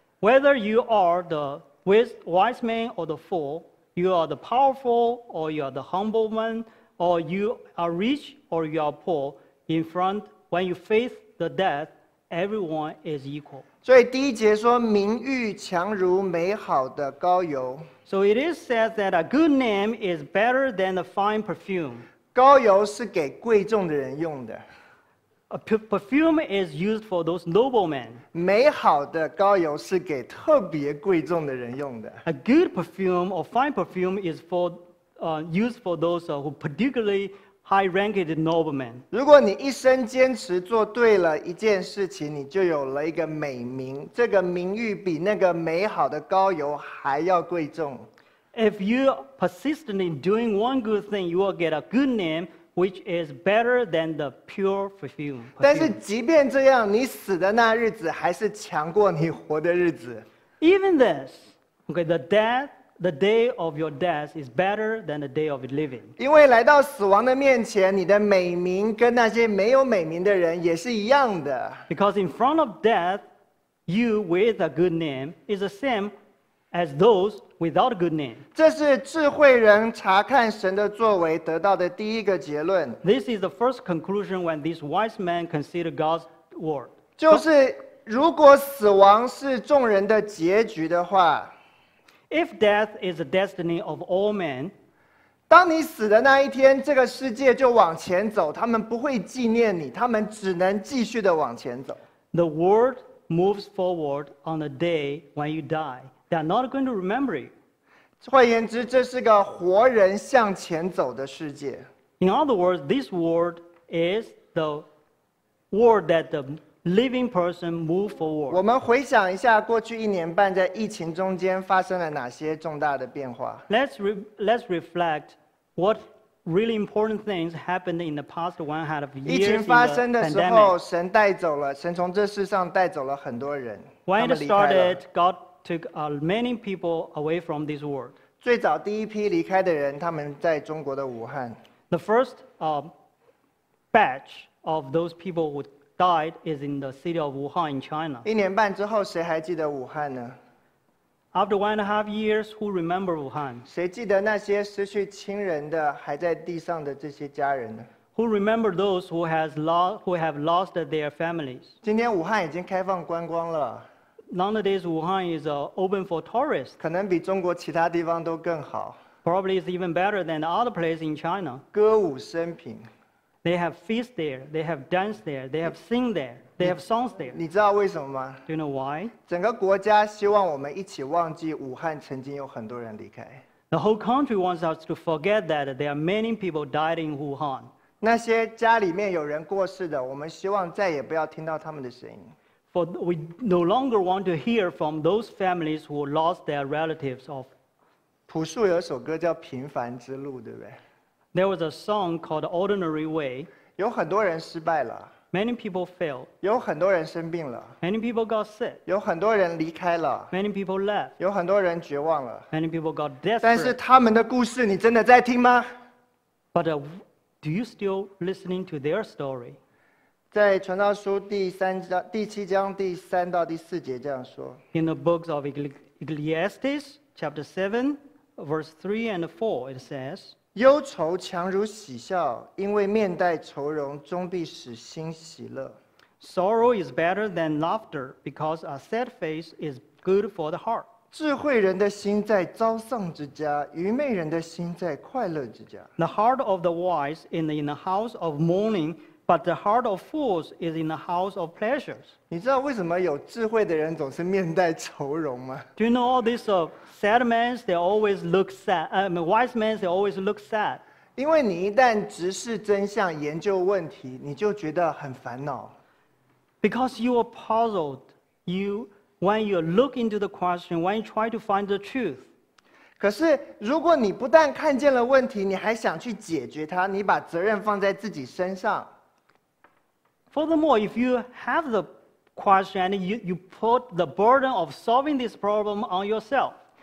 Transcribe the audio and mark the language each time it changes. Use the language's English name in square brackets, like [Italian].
[English] Whether you are the wise man or the fool,You are the powerful, or you are the humble man, or you are rich, or you are poor. In front, when you face the death, everyone is equal. [Chinese] 所以第一节说，名誉强如美好的膏油。 [English] So it is said that a good name is better than a fine perfume. [Chinese] 膏油是给贵重的人用的。 [English] A perfume is used for those noblemen. [Chinese] 美好的膏油是给特别贵重的人用的。 [English] A good perfume or fine perfume is for, used for those who particularly high-ranked noblemen. [Chinese] 如果你一生坚持做对了一件事情，你就有了一个美名。这个名誉比那个美好的膏油还要贵重。 [English] If you persistently doing one good thing, you will get a good name. Which is better than the pure perfume. [Chinese] 但是即便这样，你死的那日子还是强过你活的日子。 [English] Even this, okay, the day of your death is better than the day of living. [Chinese] 因为来到死亡的面前，你的美名跟那些没有美名的人也是一样的。 [English] Because in front of death, you with a good name is the same. As those without a good name. [Chinese] 这是智慧人查看神的作为得到的第一个结论。 [English] This is the first conclusion when these wise men consider God's word. [Chinese] 就是如果死亡是众人的结局的话， [English] If death is the destiny of all men, [Chinese] 当你死的那一天，这个世界就往前走，他们不会纪念你，他们只能继续的往前走。 [English] The world moves forward on the day when you die. They are not going to remember it. [Chinese] 换言之，这是个活人向前走的世界。 [English] In other words, this world is the world that the living person move forward. [Chinese] 我们回想一下过去一年半在疫情中间发生了哪些重大的变化。 [English] Let's reflect what really important things happened in the past 1.5 years. [Chinese] 疫情发生的时候，神带走了，神从这世上带走了很多人。 [English] When it started, God. Took many people away from this world. [Chinese] 最早第一批离开的人，他们在中国的武汉。 [English] The first batch of those people who died is in the city of Wuhan in China. [Chinese] 一年半之后，谁还记得武汉呢？ [English] After 1.5 years, who remember Wuhan? [Chinese] 谁记得那些失去亲人的还在地上的这些家人呢？ [English] Who remember those who have lost their families? [Chinese] 今天武汉已经开放观光了。 [English] Nowadays, Wuhan is open for tourists. [Chinese] 可能比中国其他地方都更好。 [English] Probably it's even better than the other place in China. [Chinese] 歌舞升平。 [English] They have feast there. They have dance there. They have sing there. They have songs there. [Chinese] 你知道为什么吗？ [English] Do you know why? [Chinese] 整个国家希望我们一起忘记武汉曾经有很多人离开。 [English] The whole country wants us to forget that there are many people died in Wuhan. [Chinese] 那些家里面有人过世的，我们希望再也不要听到他们的声音。 [English] For we no longer want to hear from those families who lost their relatives. Of, [Chinese] 朴树有首歌叫《平凡之路》，对不对？ [English] There was a song called "Ordinary Way." [Chinese] 有很多人失败了。 [English] Many people failed. [Chinese] 有很多人生病了。 [English] Many people got sick. [Chinese] 有很多人离开了。 [English] Many people left. [Chinese] 有很多人绝望了。 [English] Many people got desperate. [Chinese] 但是他们的故事，你真的在听吗？ [English] But do you still listening to their story? [Chinese] 在传道书第三章第七章第三到第四节这样说。 [English] In the books of Ecclesiastes, chapter 7, verse 3 and 4, it says, [Chinese] 忧愁强如喜笑，因为面带愁容，终必使心喜乐。 [English] Sorrow is better than laughter, because a sad face is good for the heart. [Chinese] 智慧人的心在遭丧之家，愚昧人的心在快乐之家。 [English] The heart of the wise is in the house of mourning, but the heart of fools is in the house of pleasures. [Chinese] 你知道为什么有智慧的人总是面带愁容吗？ [English] Do you know all these sad men? They always look sad. Wise men, they always look sad. [Chinese] 因为你一旦直视真相，研究问题，你就觉得很烦恼。 [English] Because you are puzzled, you when you look into the question, when you try to find the truth. [Chinese] 可是，如果你不但看见了问题，你还想去解决它，你把责任放在自己身上。 [English] Furthermore, if you have the question and you put the burden of solving this problem on yourself,